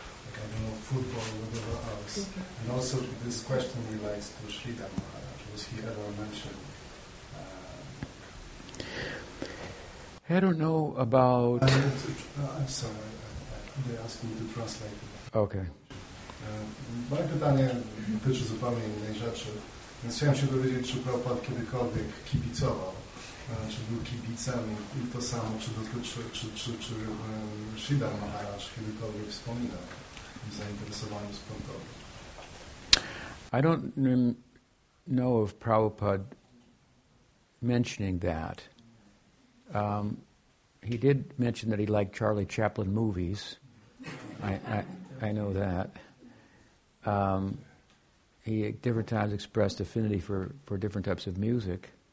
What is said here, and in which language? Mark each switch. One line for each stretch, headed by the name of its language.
English: Like, I don't know, football or whatever else. And also, this question relates to Sridhar Maharaj. Was he ever mentioned? I don't know about... I'm sorry, they asked me to translate it. Okay.
Polish: Moje pytanie dotyczy zupełnie innej rzeczy, więc chciałem się dowiedzieć, czy Prabhupada kiedykolwiek kibicował, czy był kibicem i to samo, czy dotyczy, czy Sridhar Maharaj kiedykolwiek wspominał o zainteresowaniu sportowym.
English: I don't know of Prabhupada mentioning that. He did mention that he liked Charlie Chaplin movies. I know that. He at different times expressed affinity for different types of music.